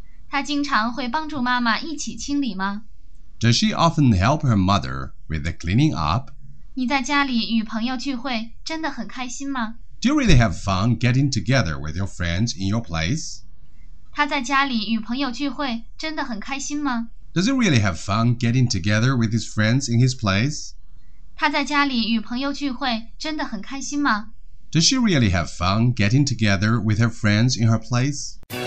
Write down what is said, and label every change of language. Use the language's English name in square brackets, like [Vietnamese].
[Chinese] 她经常会帮助妈妈一起清理吗? [English] Does she often help her mother with the cleaning up? [Chinese] 你在家里与朋友聚会真的很开心吗? [English] Do you really have fun getting together with your friends in your place? [Chinese] 她在家里与朋友聚会真的很开心吗? [English] Does he really have fun getting together with his friends in his place? [Chinese] 她在家里与朋友聚会真的很开心吗? [English] Does she really have fun getting together with her friends in her place?